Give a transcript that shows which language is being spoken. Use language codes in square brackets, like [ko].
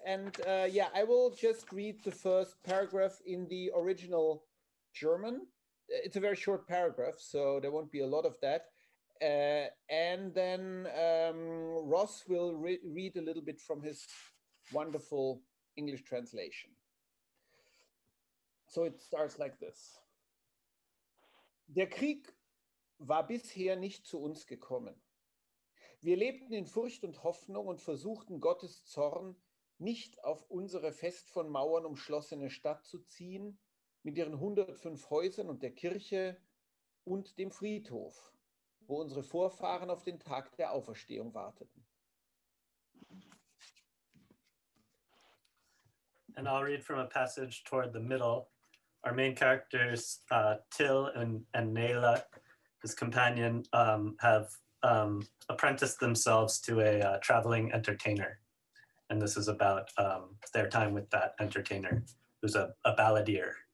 [en] And I will just read the first paragraph in the original German. It's a very short paragraph, so there won't be a lot of that. And then Ross will read a little bit from his wonderful English translation. So it starts like this. [de] Der Krieg war bisher nicht zu uns gekommen. Wir lebten in Furcht und Hoffnung und versuchten Gottes Zorn nicht auf unsere fest von Mauern umschlossene Stadt zu ziehen, mit ihren 105 Häusern und der Kirche und dem Friedhof, wo unsere Vorfahren auf den Tag der Auferstehung warteten. [en] And I'll read from a passage toward the middle. Our main characters, Tyll and Nayla, his companion, have apprenticed themselves to a traveling entertainer. And this is about their time with that entertainer, who's a balladeer.